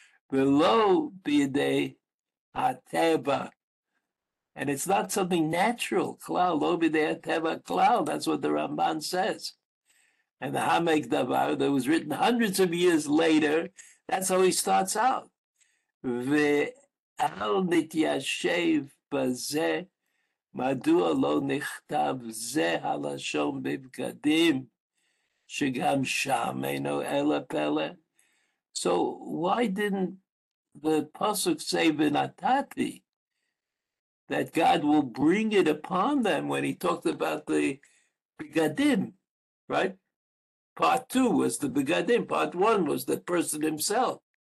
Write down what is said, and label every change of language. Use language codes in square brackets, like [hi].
[he] Below b'yidei ha'teva. [en] And it's not something natural. [he] Klal, lo b'yidei ha'teva, klal. [en] That's what the Ramban says. And the Hamek Davar, that was written hundreds of years later, that's how he starts out. [he] ואל נתיישב בזה, מדוע לא נכתב זה הלשון בבגדים, שגם שם אינו אלא פלא? [en] So why didn't the pasuk say ונתתי, that God will bring it upon them when he talked about the בגדים, right? Part two was the בגדים, part one was the person himself.